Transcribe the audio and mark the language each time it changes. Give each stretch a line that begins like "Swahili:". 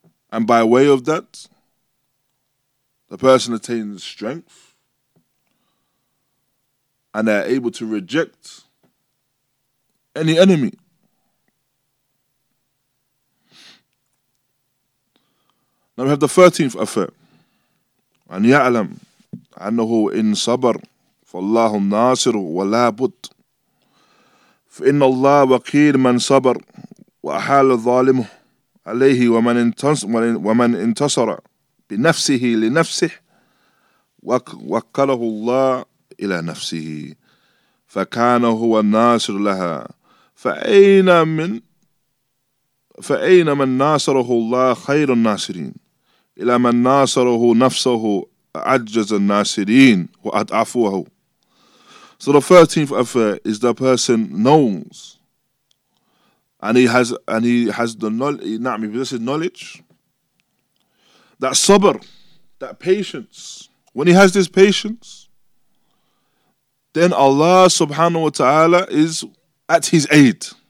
English: And by way of that, the person attains strength and they are able to reject any enemy. Now we have the 13th affair. And
Arabic: ya'alam annahu in sabr فالله الناصر ولا بد فإن الله وكيل من صبر وأحال ظالمه عليه ومن انتصر بنفسه لنفسه وكله الله إلى نفسه فكان هو الناصر لها فأين من ناصره الله خير الناصرين إلى من ناصره نفسه أعجز الناصرين وأضعفه.
English: So the 13th affair is the person knows, and he has the knowledge, this is knowledge, that sabr, that patience. When he has this patience, then Allah subhanahu wa ta'ala is at his aid.